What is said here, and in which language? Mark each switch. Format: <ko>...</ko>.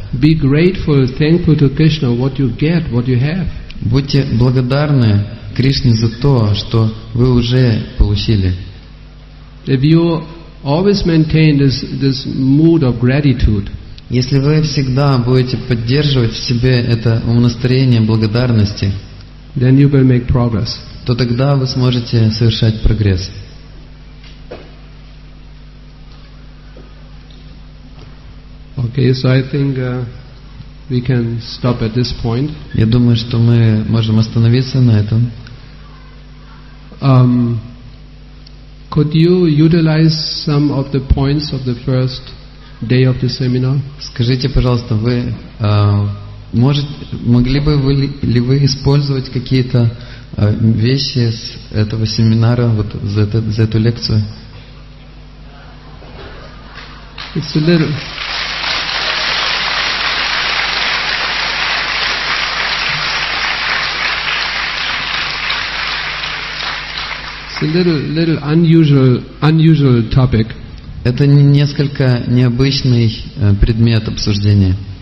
<en>Be grateful, thankful to Krishna what you get, what you have.</en> <ru>Будьте благодарны Кришне за то, что вы уже получили.</ru> <en>If you always maintain this mood of gratitude,</en> <ru>если вы всегда будете поддерживать в себе это умонастроение благодарности,</ru> <en>then you will make progress.</en> <ru>То тогда вы сможете совершать прогресс.</ru> <en>Okay, so I think we can stop at this point.</en> <ru>Я думаю, что мы можем остановиться на этом.</ru> <en>Could you utilize some of the points of the first day of the seminar?</en> <ru>Скажите, пожалуйста, вы могли бы вы ли вы использовать какие-то вещи с этого семинара вот за эту лекцию?</ru> <en>It's a little. It's a little unusual topic.</en> <ru>Это несколько необычный предмет обсуждения.</ru>